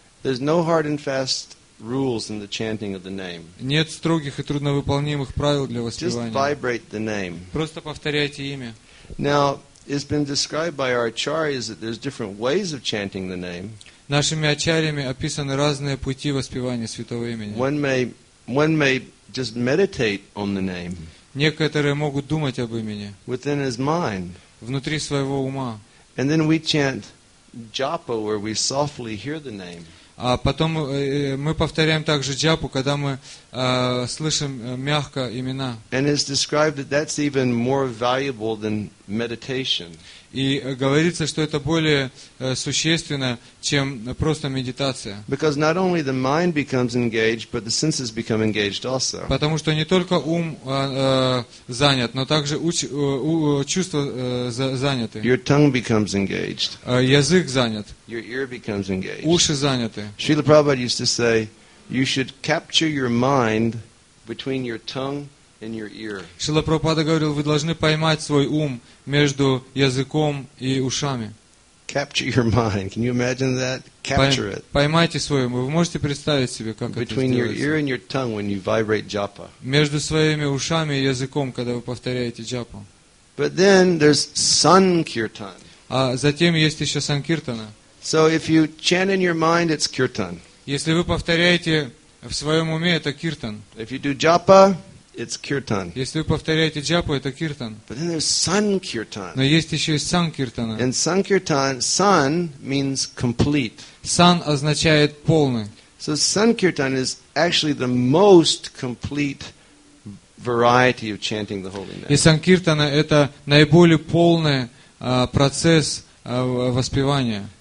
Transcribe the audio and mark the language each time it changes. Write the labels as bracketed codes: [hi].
[en] There's no hard and fast rules in the chanting of the name. [ru] Нет строгих и трудновыполнимых правил для воспевания. [en] Just vibrate the name. [ru] Просто повторяйте имя. [en] Now, it's been described by our acharyas that there's different ways of chanting the name. [ru] Нашими ачарьями описаны разные пути воспевания святого имени. [en] One may just meditate on the name. [ru] Некоторые могут думать об имени. [en] Within his mind. [ru] Внутри своего ума. [en] And then we chant japa, where we softly hear the name. [ru] А потом мы повторяем также джапу, когда мы слышим мягко имена. [en] And it's described that that's even more valuable than meditation. [ru] И говорится, что это более существенно, чем просто медитация. [en] Because not only the mind becomes engaged, but the senses become engaged also. [ru] Потому что не только ум занят, но также чувства заняты. [en] Your tongue becomes engaged. [ru] Язык занят. [en] Your ear becomes engaged. [ru] Уши заняты. [en] Srila Prabhupada used to say, you should capture your mind between your tongue in your ear. [ru] Шрила Прабхупада говорил, вы должны поймать свой ум между языком и ушами. [en] Capture your mind. Can you imagine that? Capture it. [ru] Поймайте свой ум. Вы можете представить себе, как это сделать? [en] Between your ear and your tongue when you vibrate japa. [ru] Между своими ушами и языком, когда вы повторяете джапу. [en] But then there's sankirtan. [ru] А затем есть еще санкиртана. [en] So if you chant in your mind, it's kirtan. [ru] Если вы повторяете в своем уме, это киртан. [en] If you do japa, it's kirtan. [ru] Если вы повторяете джапу, это киртан. [en] But then there's sankirtan. [ru] Но есть еще и санкиртана. [en] And sankirtan, san means complete. [ru] Сан означает полный. [en] So sankirtan is actually the most complete variety of chanting the holy name. [ru] И санкиртана это наиболее полный процесс воспевания.